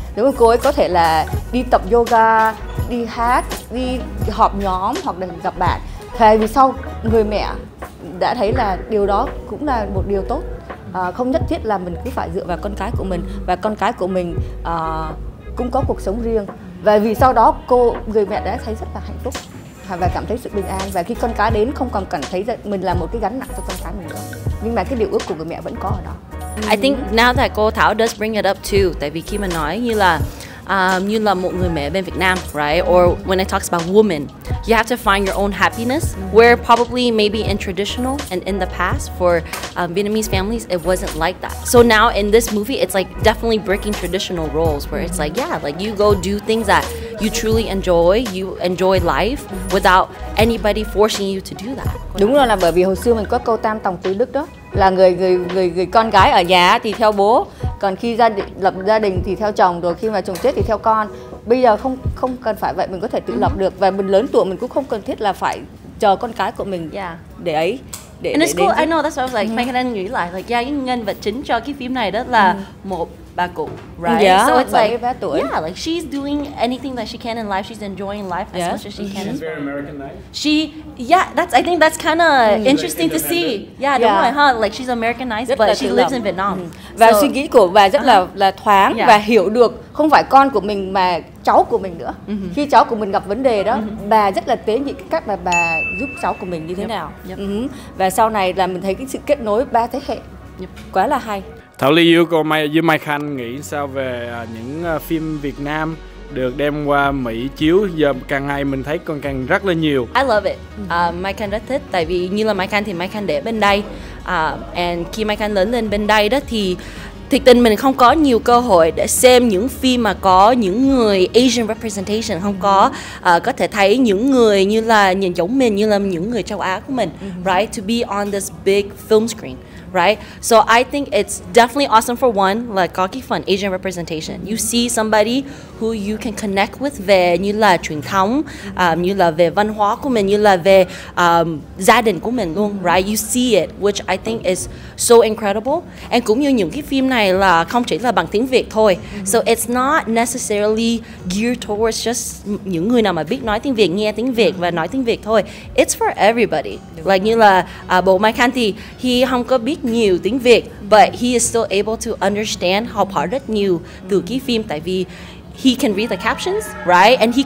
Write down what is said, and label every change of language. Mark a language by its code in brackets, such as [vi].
[vi] Nếu mà cô ấy có thể là đi tập yoga, đi hát, đi họp nhóm hoặc là gặp bạn, thì vì sau người mẹ đã thấy là điều đó cũng là một điều tốt, không nhất thiết là mình cứ phải dựa vào con cái của mình, và con cái của mình cũng có cuộc sống riêng, và vì sau đó người mẹ đã thấy rất là hạnh phúc và cảm thấy sự bình an, và khi con cái đến không còn cảm thấy rằng mình là một cái gánh nặng cho con cái mình nữa, nhưng mà cái điều ước của người mẹ vẫn có ở đó. [en] I think now that [vi] cô Thảo [en] does bring it up too, [vi] tại vì khi mà nói như là một người mẹ bên Việt Nam, right? [en] Or when it talks about women, you have to find your own happiness. Where probably maybe in traditional and in the past for Vietnamese families, it wasn't like that. So now in this movie, it's like definitely breaking traditional roles where it's like, yeah, like you go do things that you truly enjoy. You enjoy life without anybody forcing you to do that. [vi] Đúng rồi, là bởi vì hồi xưa mình có câu tam tòng tứ đức đó, là người con gái ở nhà thì theo bố, còn khi lập gia đình thì theo chồng, rồi khi mà chồng chết thì theo con. Bây giờ không cần phải vậy, mình có thể tự lập được, và mình lớn tuổi mình cũng không cần thiết là phải chờ con cái của mình để ấy. [en] And it's cool. I know, that's what I was like. [vi] Mình đang nghĩ lại, [en] like, yeah, [vi] cái nhân vật chính cho cái phim này đó là một bà cụ, right? [en] Yeah, so it's like, [vi] bà tuổi. [en] Yeah, like she's doing anything that she can in life. She's enjoying life as much as she can. She's very Americanized. She, yeah, that's. I think that's kind of interesting to see. Yeah, don't mind, huh? Like she's Americanized, but she lives in Vietnam. [vi] Và suy nghĩ của bà rất là thoáng và hiểu được không phải con của mình mà cháu của mình nữa. Khi cháu của mình gặp vấn đề đó, bà rất là tế nhị cách mà bà giúp cháu của mình như thế nào. Và sau này là mình thấy cái sự kết nối ba thế hệ quá là hay. Thảo Ly, yêu cầu Mai với Mai Khanh nghĩ sao về những phim Việt Nam được đem qua Mỹ chiếu, giờ càng ngày mình thấy còn càng rất là nhiều. [en] I love it. [vi] Mai Khanh rất thích, tại vì như là Mai Khanh thì Mai Khanh để bên đây, and khi Mai Khanh lớn lên bên đây đó thì thực tình mình không có nhiều cơ hội để xem những phim mà có những người Asian representation, không có có thể thấy những người như là nhìn giống mình, như là những người châu Á của mình, right, [en] to be on this big film screen. Right, so I think it's definitely awesome for one, like cocky fun Asian representation. You see somebody who you can connect with [vi] về như là truyền thống, như là về văn hóa của mình, như là về gia đình của mình luôn, right? [en] You see it, which I think is so incredible. [vi] And cũng như những cái phim này là không chỉ là bằng tiếng Việt thôi, [en] so it's not necessarily geared towards just [vi] những người nào mà biết nói tiếng Việt, nghe tiếng Việt và nói tiếng Việt thôi. [en] It's for everybody. Like [vi] như là bộ Mai Khanh thì he không có biết nhiều tiếng Việt, [en] but he is still able to understand, [vi] học hỏi rất nhiều từ cái phim, tại vì [en] he can read the captions, right?